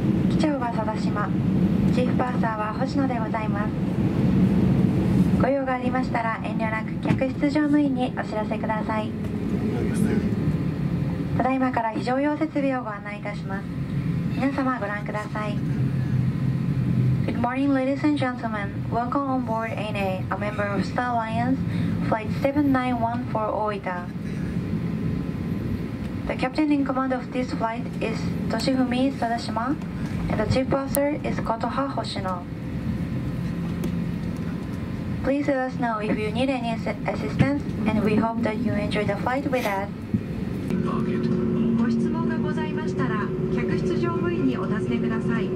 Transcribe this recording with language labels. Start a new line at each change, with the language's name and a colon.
Japanese: 機長は佐田島、チーフパーサーは星野でございます。ご用がありましたら遠慮なく客室乗務員にお知らせください。ただいまから非常用設備をご案内いたします。皆様ご覧ください。
English: Good morning, ladies and gentlemen. Welcome on board ANA, a member of Star Alliance, flight 791 for Oita. The captain in command of this flight is Toshifumi Sadashima, and the chief officer is Kotoha Hoshino. Please let us know if you need any assistance, and we hope that you enjoy the flight with us.
Japanese: ご質問がございましたら、客室乗務員にお尋ねください。